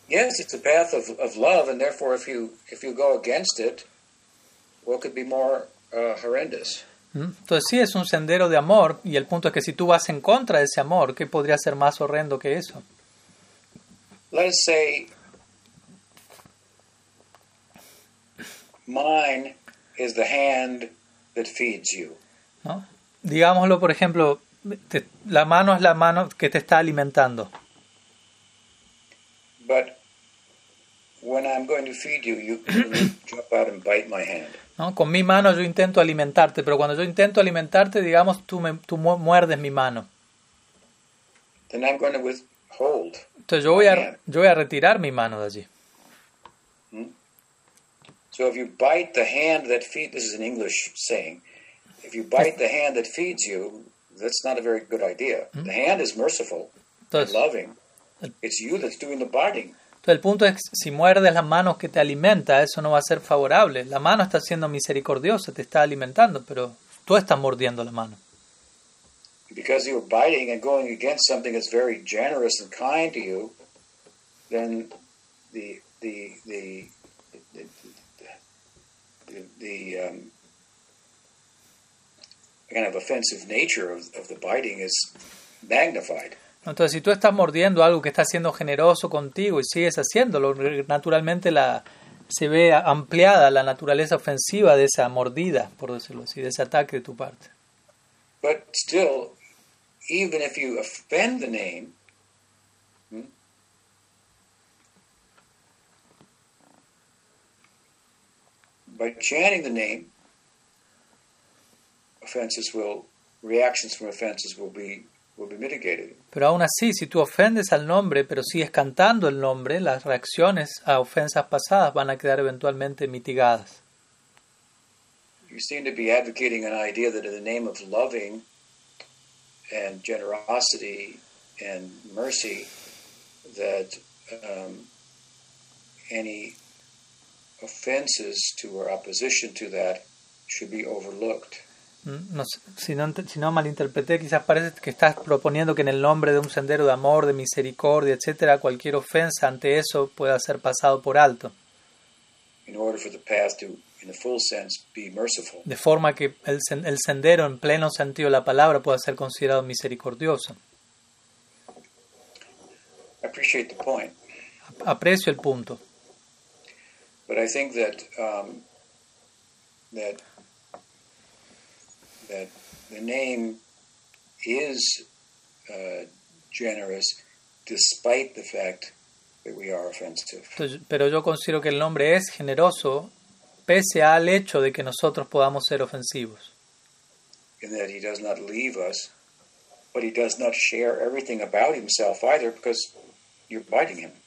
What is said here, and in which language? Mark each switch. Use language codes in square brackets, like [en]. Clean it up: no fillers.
[en] Yes, it's a path of love, and therefore if you go against it, what could be more horrendous? [es] Entonces sí, es un sendero de amor, y el punto es que si tú vas en contra de ese amor, ¿qué podría ser más horrendo que eso? [en] Let's say mine is the hand that feeds you. [es] ¿No? Digámoslo, por ejemplo, la mano es la mano que te está alimentando. [en] But when I'm going to feed you, you jump out and bite my hand. [es] ¿No? Con mi mano yo intento alimentarte, pero cuando yo intento alimentarte, digamos, tú muerdes mi mano. [en] Then I'm going to withhold. [es] Entonces yo voy a retirar mi mano de allí. [en] So if you bite the hand that feeds, this is an English saying, if you bite the hand that feeds you, that's not a very good idea. The hand is merciful, entonces, loving. It's you that's doing the biting. [es] El punto es, si muerdes las manos que te alimenta, eso no va a ser favorable. La mano está siendo misericordiosa, te está alimentando, pero tú estás mordiendo la mano. [en] Because you're biting and going against something that's very generous and kind to you, then the kind of offensive nature of the biting is magnified. [es] Entonces, si tú estás mordiendo algo que está siendo generoso contigo y sigues haciéndolo, naturalmente se ve ampliada la naturaleza ofensiva de esa mordida, por decirlo así, de ese ataque de tu parte. [en] But still, even if you offend the name, by chanting the name, reactions from offenses will be will be mitigated. [es] Pero aún así, si tú ofendes al nombre, pero sigues cantando el nombre, las reacciones a ofensas pasadas van a quedar eventualmente mitigadas. [en] You seem to be advocating an idea that in the name of loving and generosity and mercy, that any offenses to or opposition to that should be overlooked. [es] No, si no malinterpreté, quizás parece que estás proponiendo que en el nombre de un sendero de amor, de misericordia, etcétera, cualquier ofensa ante eso pueda ser pasado por alto. [en] In order for the path to, in a full sense, be merciful. [es] De forma que el sendero, en pleno sentido de la palabra, pueda ser considerado misericordioso. [en] I appreciate the point. [es] Aprecio el punto. [en] But I think that that the name is generous despite the fact that we are offensive. [es] Pero yo considero que el nombre es generoso pese al hecho de que nosotros podamos ser ofensivos. [en] And that he does not leave us, but he does not share everything about himself either, because you're biting him.